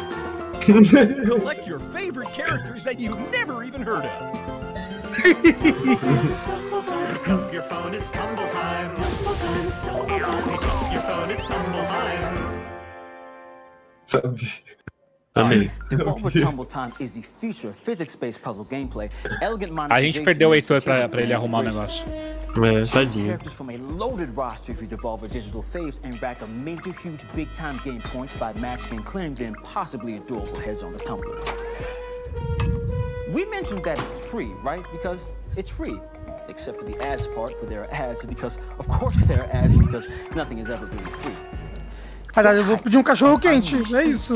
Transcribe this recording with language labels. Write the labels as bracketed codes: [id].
[en] Collect your favorite characters that you've never even heard of. Pick up your phone, it's tumble time. Your phone, it's tumble time. [pt] Sabe? Amém. [en] Devolver Tumble Time is the future physics-based puzzle gameplay. Elegant [pt] a gente perdeu o Heitor pra ele arrumar o negócio. Tadinho. [en] Characters from a loaded roster of your Devolver Digital faves and rack a major, huge, big-time game points by matching and clearing them possibly adorable heads on the tumbler. We mentioned that it's free, right? Because it's free, except for the ads part, where there are ads, because of course there are ads, because nothing is ever really free. [pt] Caralho, eu vou pedir um cachorro quente, é isso.